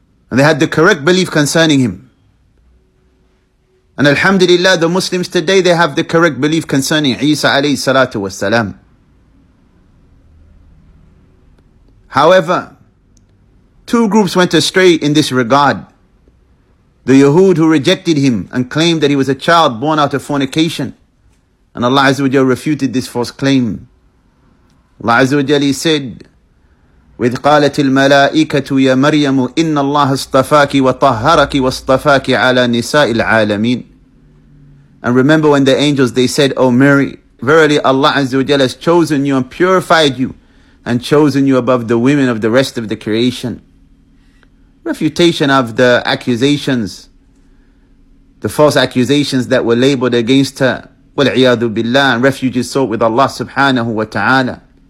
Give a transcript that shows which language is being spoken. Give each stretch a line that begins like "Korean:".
English: And they had the correct belief concerning him. And alhamdulillah, the Muslims today, they have the correct belief concerning Isa alayhi salatu wasalam. However, two groups went astray in this regard. The Yahud, who rejected him and claimed that he was a child born out of fornication. And Allah Azza wa Jal refuted this false claim. Allah Azza wa Jalla said,
Arabic: وَإِذْ قَالَتِ الْمَلَائِكَةُ يَا مَرْيَمُ إِنَّ اللَّهَ اصْطَفَاكِ وَطَهَّرَكِ وَاصْطَفَاكِ عَلَى نِسَاءِ الْعَالَمِينَ.
English: And remember when the angels, they said, O Mary, verily Allah Azza wa Jalla has chosen you and purified you and chosen you above the women of the rest of the creation. Refutation of the accusations, the false accusations that were labeled against her,
Arabic: وَالْعِيَاذُ بِاللَّهِ,
English: and refuge is sought with Allah subhanahu wa ta'ala.